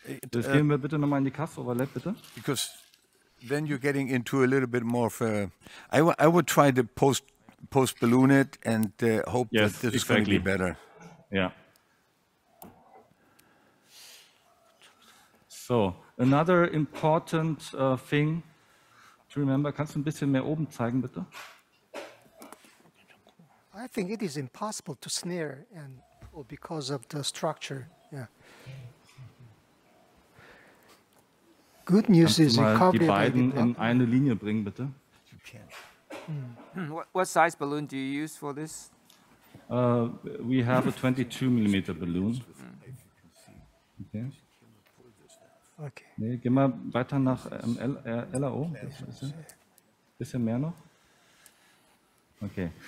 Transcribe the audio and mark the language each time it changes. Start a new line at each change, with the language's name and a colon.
German: Das gehen wir bitte nochmal in die Kasse, Overlap, bitte.
English: Because then you're getting into a little bit more of a, I would try to post balloon it and hope yes, that this is going to be better. Yeah. So, another important thing to remember,
German: kannst du ein bisschen mehr oben zeigen, bitte?
English: I think it is impossible to snare and because of the structure, yeah. Good news is recovery.
German: Kannst du mal die beiden in eine Linie bringen, bitte?
English: You can. What size balloon do you use for this? We have a 22 millimeter balloon. Okay. Okay.
German: Nee, geh mal weiter nach LRO. Bisschen mehr noch. Okay.